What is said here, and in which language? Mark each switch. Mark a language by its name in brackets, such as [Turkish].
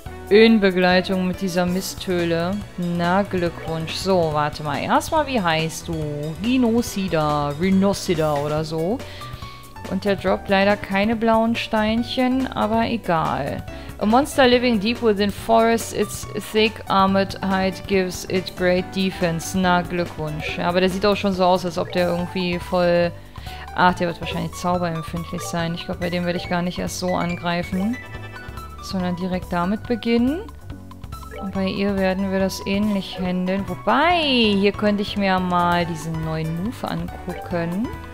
[German] In Begleitung mit dieser Misthöhle. Na, Glückwunsch. So, warte mal. Erstmal, wie heißt du? Rhinocida. Rhinocida oder so. Und der droppt leider keine blauen Steinchen, aber egal. [English] A monster living deep within forest, its thick armored hide gives it great defense. [German] Na, Glückwunsch. Ja, aber der sieht auch schon so aus, als ob der irgendwie voll... Ach, der wird wahrscheinlich zauberempfindlich sein. Ich glaube, bei dem werde ich gar nicht erst so angreifen. Sondern direkt damit beginnen. Und bei ihr werden wir das ähnlich handeln. Wobei, hier könnte ich mir mal diesen neuen Move angucken.